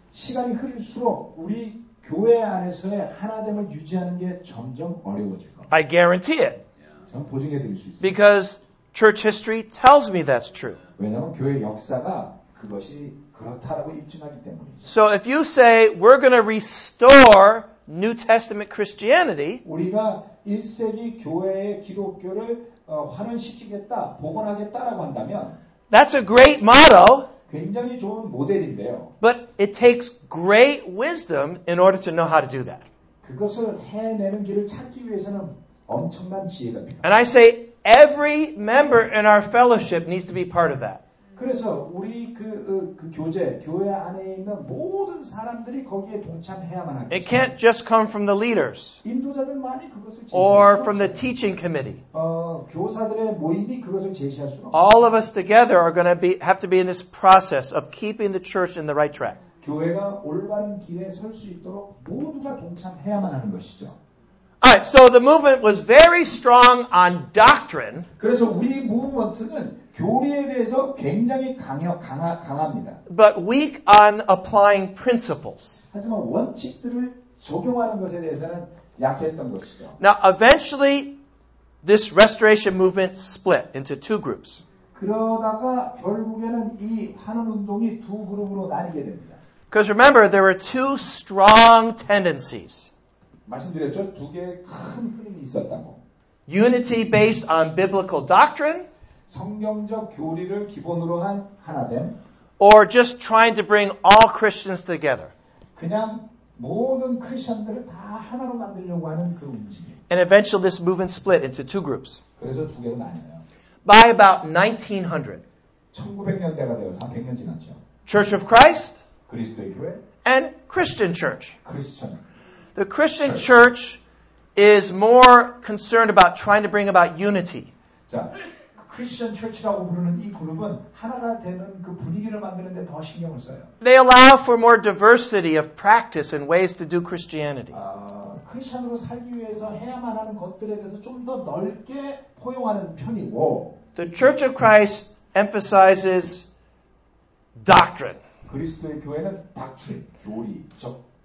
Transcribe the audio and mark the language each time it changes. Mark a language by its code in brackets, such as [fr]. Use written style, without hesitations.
[ko] 시간이 흐를수록 우리 교회 안에서의 하나됨을 유지하는 게 점점 어려워질 겁니다. [en] I guarantee it. Because church history tells me that's true. [ko] 왜냐하면 교회 역사가 그것이 그렇다라고 입증하기 때문이죠. [en] So if you say we're going to restore New Testament Christianity, [ko] 우리가 1세기 교회의 기독교를 환원시키겠다, 복원하겠다라고 한다면, [en] that's a great motto. [ko] 굉장히 좋은 모델인데요. [en] But it takes great wisdom in order to know how to do that. [ko] 그것을 해내는 길을 찾기 위해서는 [en] And I say every member in our fellowship needs to be part of that. [ko] 그래서 우리 그 교회 안에 있는 모든 사람들이 거기에 동참해야만 합니다. [en] It can't just come from the leaders. [ko] 인도자들만이 그것을 [en] or from the teaching committee. [ko] 교사들의 모임이 그것을 제시할 수 [en] All of us together are going to have to be in this process of keeping the church in the right track. [ko] 교회가 올바른 길에 설 수 있도록 모두가 동참해야만 하는 것이죠. [en] Alright, so the movement was very strong on doctrine. [ko] 그래서 우리 무브먼트는 교리에 대해서 굉장히 강합니다. [en] But weak on applying principles. [ko] 하지만 원칙들을 적용하는 것에 대해서는 약했던 것이죠. [en] Now, eventually, this restoration movement split into two groups. [ko] 그러다가 결국에는 이 환원 운동이 두 그룹으로 나뉘게 됩니다. [en] Because remember, there were two strong tendencies. [ko] 말씀드렸죠? 두 개의 큰 흐름이 있었다고. [en] Unity based on biblical doctrine. [ko] 성경적 교리를 기본으로 한 하나됨. [en] Or just trying to bring all Christians together. [ko] 그냥 모든 크리스천들을 다 하나로 만들려고 하는 그 움직임. [en] And eventually this movement split into two groups. [ko] 그래서 두 개로 나뉘어요. [en] By about 1900. [ko] 1900년대가 되어서 100년 지났죠. [en] Church of Christ. [ko] 그리스도의 교회. [en] And Christian Church. [ko] 크리스천. [en] The Christian church is more concerned about trying to bring about unity. [ko] 자, Christian church라고 부르는 이 그룹은 하나가 되는 그 분위기를 만드는 데 더 신경을 써요. [en] They allow for more diversity of practice and ways to do Christianity. [ko] 크리스천으로 살기 위해서 해야만 하는 것들에 대해서 좀 더 넓게 포용하는 편이고. [en] The Church of Christ emphasizes doctrine. [ko] 그리스도의 교회는 doctrine, 교리, 즉